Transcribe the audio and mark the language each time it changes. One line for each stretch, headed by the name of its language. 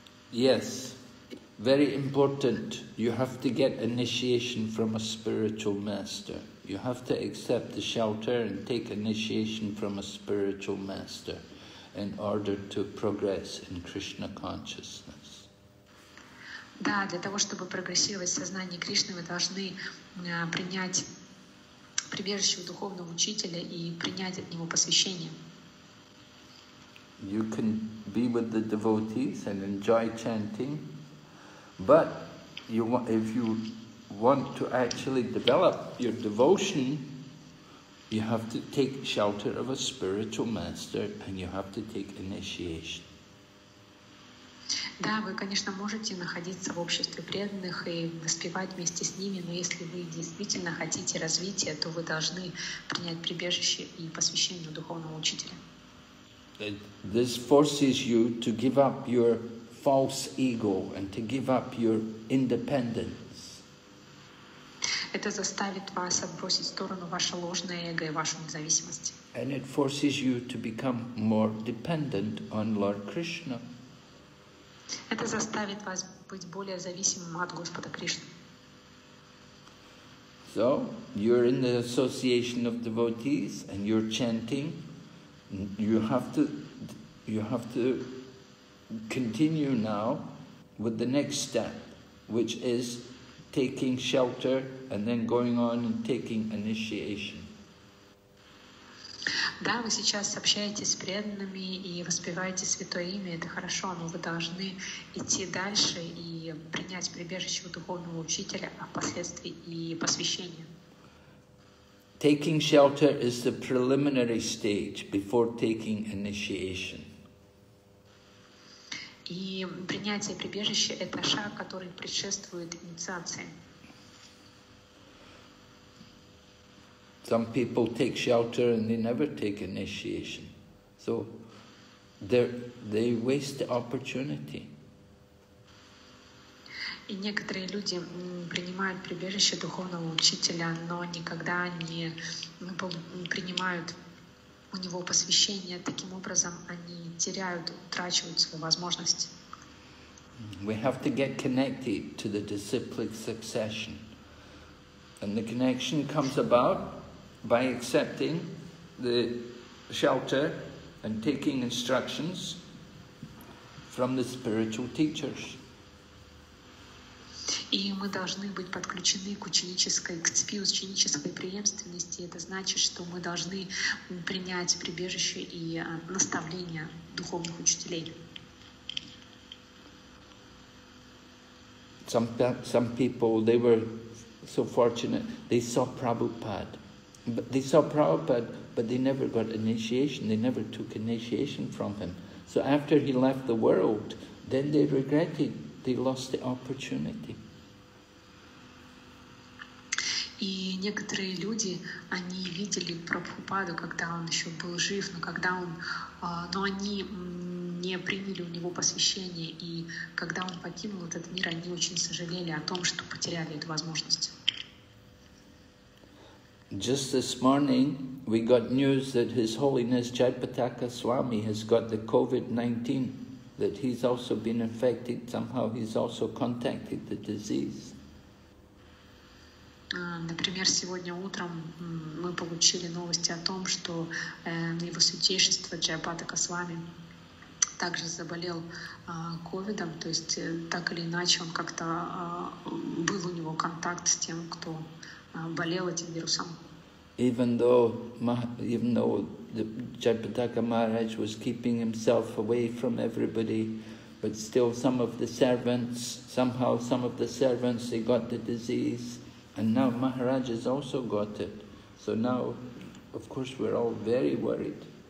English: Yes, very important. You have to get initiation from a spiritual master. You have to accept the shelter and take initiation from a spiritual master in order to progress in Krishna consciousness.
Russian: Да, для того, чтобы прогрессировать в сознании Кришны, вы должны принять прибежище у духовного учителя и принять от него посвящение.
English: You can be with the devotees and enjoy chanting, but if you want to actually develop your devotion, you have to take shelter of a spiritual master and you have to take initiation.
Russian: Да, вы, конечно, можете находиться в обществе преданных и воспевать вместе с ними, но если вы действительно хотите развития, то вы должны принять прибежище и посвящение духовного учителя.
English: This forces you to give up your false ego and to give up your independence.
Russian: Это заставит вас отбросить в сторону ваше ложное эго и вашу независимость.
English: And it forces you to become more dependent on Lord Krishna.
Russian: Это заставит вас быть более зависимым от Господа Кришны.
English: So, you're in the association of devotees and you're chanting. You have to continue now with the next step, which is taking shelter and then going on and taking initiation.
Russian: Да, вы сейчас общаетесь с преданными и воспеваете святое имя, это хорошо, но вы должны идти дальше и принять прибежище у духовного учителя, а впоследствии и посвящение.
English: Taking shelter is the preliminary stage before taking initiation.
Russian: И принятие прибежища – это шаг, который предшествует инициации.
English: Some people take shelter and they never take initiation, so they waste the opportunity.
Russian: И некоторые люди принимают прибежище духовного учителя, но никогда не принимают у него посвящение. Таким образом, они теряют, утрачивают свою возможность.
English: We have to get connected to the disciplic succession. And the connection comes about by accepting the shelter and taking instructions from the spiritual teachers.
Russian: И мы должны быть подключены к ученической, к цепи ученической преемственности. Это значит, что мы должны принять прибежище и наставления духовных учителей.
English: Some people they were so fortunate. They saw Prabhupada. But they saw Prabhupada, but they never got initiation. They never took initiation from him. So after he left the world, then they regretted. They lost the opportunity.
Russian: И некоторые люди, они видели Прабхупаду, когда он еще был жив, но когда он, но они не приняли у него посвящение, и когда он покинул этот мир, они очень сожалели о том, что потеряли эту возможность.
English: Just this morning we got news that His Holiness Jaipataka Swami has got the COVID-19, that he's also been infected, somehow he's also contacted the disease.
Russian: Например, сегодня утром мы получили новости о том, что его святейшество Джайпатака Свами также заболел ковидом, то есть так или иначе он как-то был у него контакт с тем, кто болел этим вирусом.
English: Even though Jaipataka Maharaj was keeping himself away from everybody, but still some of the servants they got the disease. And now Maharaj has also got it. So now, of course, we're all very worried.